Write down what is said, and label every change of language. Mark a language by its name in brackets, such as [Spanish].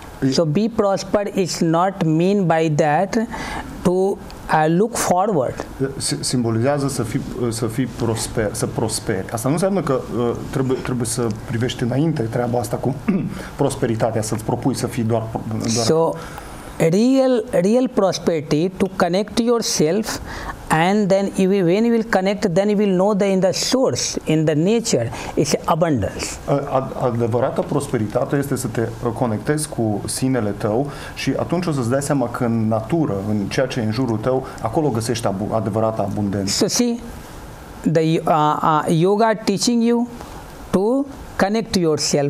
[English] So be prosper is not mean by that to look forward. [Romanian] Simbolizează să fii prosper, să prosperi. Asta nu înseamnă că trebuie să privești înainte treaba asta cu prosperitatea, să-ți propui să fii doar. [English] So real prosperity to connect yourself and then when you will connect then you will know that in the source in the nature is abundance. [Romanian] Adevărata prosperitate este să te conectezi cu sinele tău și atunci o să-ți dai seama că în natură, în ceea ce e în jurul tău, acolo găsești adevărata abundență. [English] So see the yoga teaching you to connect yourself,